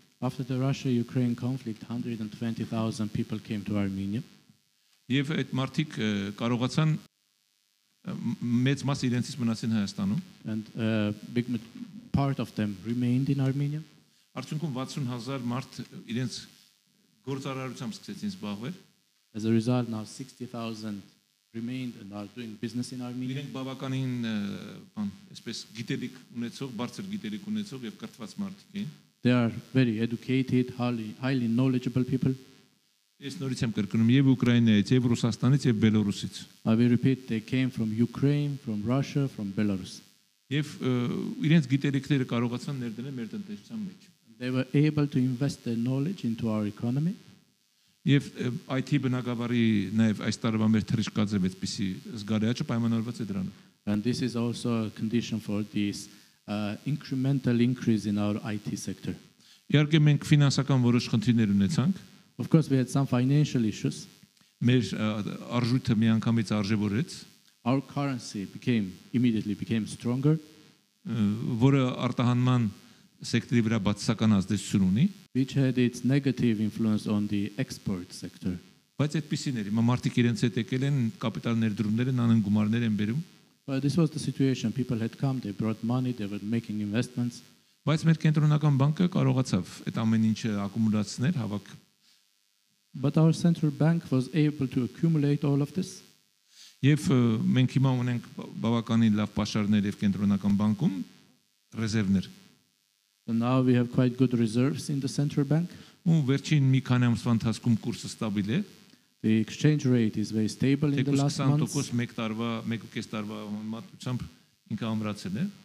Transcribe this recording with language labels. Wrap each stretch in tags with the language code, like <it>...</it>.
<en>After the Russia-Ukraine conflict, 120,000 people came to Armenia.</en> <hy>Եվ այդ մարդիկ կարողացան մեծ մասը իրենցից մնացին Հայաստանում.</hy> <en>And big part of them remained in Armenia.</en> <hy>Արդյունքում 60,000 մարդ իրենց գործարարությամբ սկսեցին զբաղվել.</hy> <en>As a result, now 60,000 remained and are doing business in Armenia.</en> <hy>Իրենք բավականին բան, այսպես գիտելիք ունեցող, բարձր գիտելիք ունեցող եւ կրթված մարդիկ են.</hy> <en>They are very educated, highly knowledgeable people.</en> <hy>Ես նորից եմ կրկնում, եւ Ուկրաինայից, եւ Ռուսաստանից, եւ Բելարուսից։</hy> <en>I will repeat, they came from Ukraine, from Russia, from Belarus.</en> <hy>Եվ իրենց գիտելիքները կարողացան ներդնել մեր տնտեսության մեջ։</hy> <en>They were able to invest their knowledge into our economy.</en> <hy>Եվ IT բնագավառի նաեւ այս տարվա մեր թրիշկաձև այդպիսի զգալիաճը պայմանավորված է դրանով։</hy> <en>And this is also a condition for this incremental increase in our IT sector.</en> <hy>Իհարկե մենք ֆինանսական որոշ խնդիրներ ունեցանք։</hy> <en>Of course, we had some financial issues.</en> <hy>Մեր արժույթը միանգամից արժևորեց.</hy> <en>Our currency immediately became stronger.</en> <hy>Որը արտահանման սեկտորի վրա բացասական ազդեցություն ունի.</hy> <en>Which had its negative influence on the export sector.</en> <hy>Բայց այդպեսին էր, հիմա մարդիկ իրենց հետ եկել են, կապիտալ ներդրումներ են անում, գումարներ են բերում.</hy> <en>But this was the situation. People had come, they brought money, they were making investments.</en> <hy>Բայց մեր կենտրոնական բանկը կարողացավ այդ ամեն ինչը ակումուլացնել, հավաք.</hy> <en>But our central bank was able to accumulate all of this.</en> <hy>Եվ մենք հիմա ունենք բավականին լավ պաշարներ եւ կենտրոնական բանկում ռեզերվներ.</hy> <en>And now we have quite good reserves in the central bank.</en> <hy>Ու վերջին մի քանի ամսվա ընթացքում կուրսը ստաբիլ է.</hy> <en>The exchange rate is very stable in the last months.</en> <hy>20% մեկ տարվա, 1.5 տարվա մատուցամբ ինքը ամրացել է.</hy>